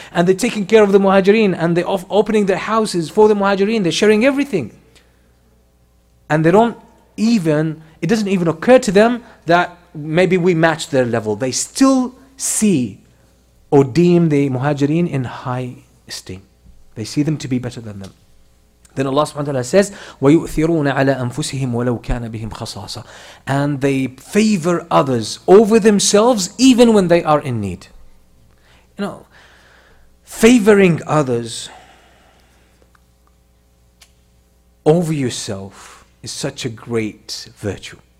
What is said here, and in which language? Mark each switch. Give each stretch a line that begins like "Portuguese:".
English: And they're taking care of the Muhajireen. And they're opening their houses for the Muhajireen. They're sharing everything. And they don't even, it doesn't even occur to them that maybe we match their level. They still see or deem the Muhajireen in high esteem. They see them to be better than them. Then Allah subhanahu wa ta'ala says,
Arabic: وَيُؤْثِرُونَ عَلَىٰ أَنفُسِهِمْ وَلَوْ كَانَ بِهِمْ خَصَاصًا.
English: And they favor others over themselves even when they are in need. You know, favoring others over yourself is such a great virtue.